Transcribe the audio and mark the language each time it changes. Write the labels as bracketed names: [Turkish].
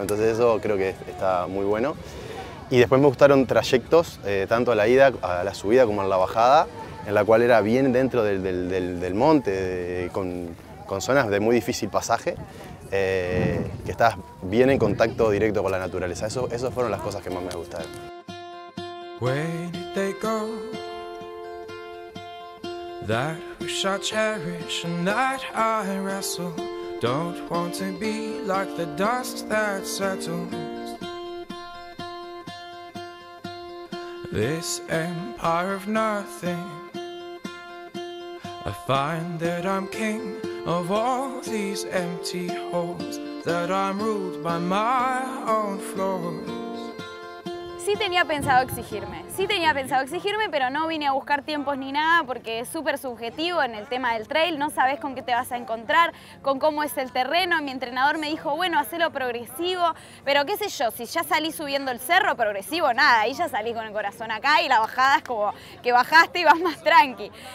[Spanish] Entonces eso creo que está muy bueno. Y después me gustaron trayectos, tanto a la ida, a la subida como a la bajada, en la cual era bien dentro del monte, con zonas de muy difícil pasaje, que estás bien en contacto directo con la naturaleza. Esas fueron las cosas que más me gustaron. [English] When did they go? That we shall cherish and that I wrestle. Don't want to be like the dust that settles. This empire of nothing. I find that I'm king of all these empty holes. That I'm ruled by my own flaws. [Spanish] Sí tenía pensado exigirme, pero no vine a buscar tiempos ni nada porque es súper subjetivo en el tema del trail, no sabes con qué te vas a encontrar, con cómo es el terreno. Mi entrenador me dijo, bueno, hacelo progresivo, pero qué sé yo, si ya salí subiendo el cerro, progresivo, nada, ahí ya salí con el corazón acá y la bajada es como que bajaste y vas más tranqui.